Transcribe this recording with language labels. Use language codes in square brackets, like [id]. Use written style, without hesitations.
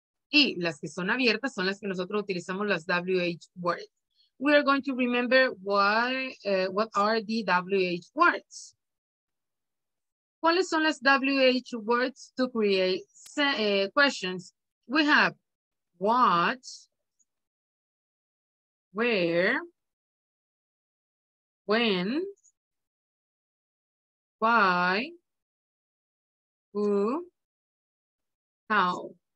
[es] Y las que son abiertas son las que nosotros utilizamos las WH words. [en] We are going to remember what are the WH words. [es] ¿Cuáles son las [en] WH words to create questions? We have what, where, when, why, who, how.